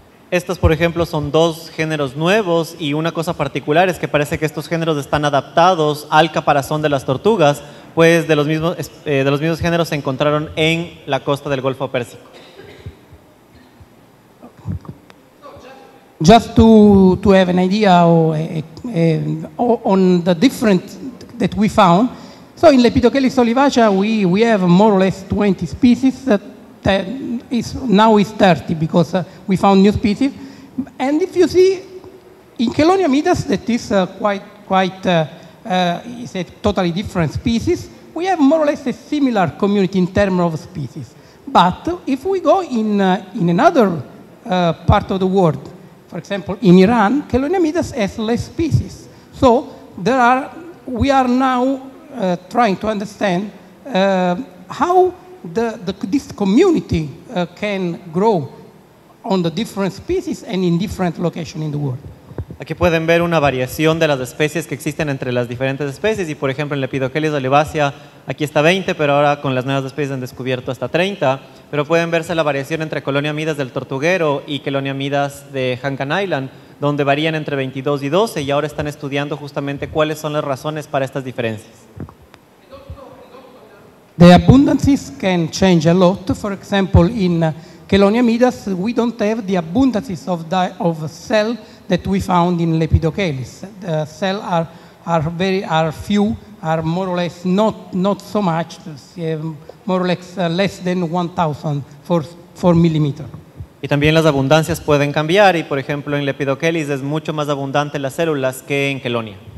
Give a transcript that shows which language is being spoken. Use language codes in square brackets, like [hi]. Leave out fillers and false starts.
[es] Estos, por ejemplo, son dos géneros nuevos y una cosa particular es que parece que estos géneros están adaptados al caparazón de las tortugas, pues de los mismos géneros se encontraron en la costa del Golfo Pérsico. [en] Just to have an idea on the different that we found. So in Lepidocalis olivacea we have more or less 20 species. Now it's 30 because we found new species. And if you see in Chelonia medias, that is is a totally different species. We have more or less a similar community in terms of species. But if we go in another part of the world, for example in Iran, Chelonia medias has less species. So we are now trying to understand how this community can grow on the different species and in different locations in the world. [es] Aquí pueden ver una variación de las especies que existen entre las diferentes especies y, por ejemplo, en Lepidocalis olivacea, aquí está 20, pero ahora con las nuevas especies han descubierto hasta 30. Pero pueden verse la variación entre Chelonia medias del tortuguero y Chelonia medias de Hankan Island, donde varían entre 22 y 12, y ahora están estudiando justamente cuáles son las razones para estas diferencias. [en] The abundances can change a lot. For example, in Chelonia medias, we don't have the abundances of cell that we found in Lepidocalis. The cell are few, are more or less not so much, more or less than 1,000 for millimeter. [es] Y también las abundancias pueden cambiar y, por ejemplo, en Lepidocalis es mucho más abundante las células que en Chelonia.